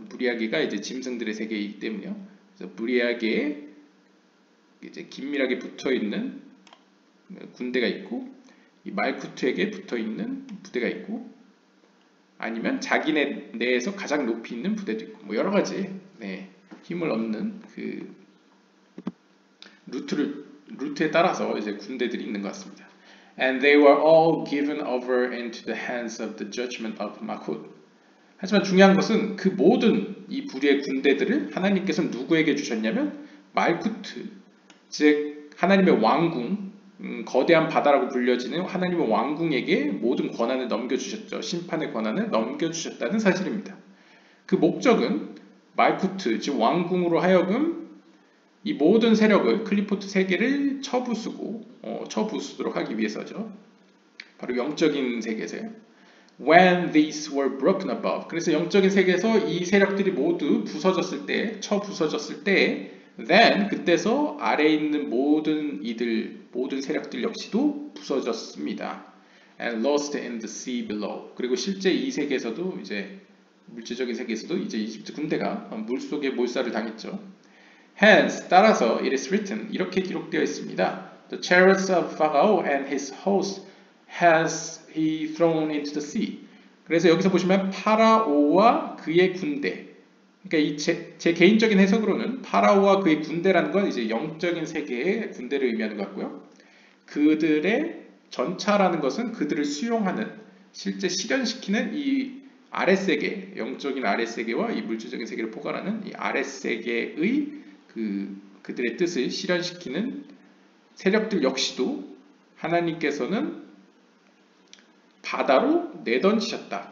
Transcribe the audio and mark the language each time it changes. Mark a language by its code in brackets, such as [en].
[ko] 무리하게가 이제 짐승들의 세계이기 때문에요. 그래서 무리하게 이제 긴밀하게 붙어 있는 군대가 있고, 이 말쿠트에게 붙어 있는 부대가 있고, 아니면 자기네 내에서 가장 높이 있는 부대도 있고, 뭐 여러 가지 힘을 얻는 그 루트에 따라서 이제 군대들이 있는 것 같습니다. [en] And they were all given over into the hands of the judgment of Mahud. [ko] 하지만 중요한 것은 그 모든 이 부류의 군대들을 하나님께서는 누구에게 주셨냐면 말쿠트, 즉 하나님의 왕궁, 거대한 바다라고 불려지는 하나님의 왕궁에게 모든 권한을 넘겨주셨죠. 심판의 권한을 넘겨주셨다는 사실입니다. 그 목적은 말쿠트, 즉 왕궁으로 하여금 이 모든 세력을, 클리포트 세계를 처부수도록 하기 위해서죠. 바로 영적인 세계에서요. [en] When these were broken above. [ko] 그래서 영적인 세계에서 이 세력들이 모두 부서졌을 때, 처부서졌을 때, then, 그때서 아래에 있는 모든 이들, 모든 세력들 역시도 부서졌습니다. [en] And lost in the sea below. [ko] 그리고 실제 이 세계에서도 이제, 물질적인 세계에서도 이제 이집트 군대가 물 속에 몰살을 당했죠. Hence, 따라서 [en] it is written, [ko] 이렇게 기록되어 있습니다. [en] The chariots of Pharaoh and his host has he thrown into the sea. [ko] 그래서 여기서 보시면 파라오와 그의 군대. 그러니까 이 제 개인적인 해석으로는 파라오와 그의 군대라는 건 이제 영적인 세계의 군대를 의미하는 것 같고요. 그들의 전차라는 것은 그들을 수용하는, 실제 실현시키는 이 아랫세계, 영적인 아랫세계와 이 물질적인 세계를 포괄하는 이 아랫세계의 그들의 뜻을 실현시키는 세력들 역시도 하나님께서는 바다로 내던지셨다.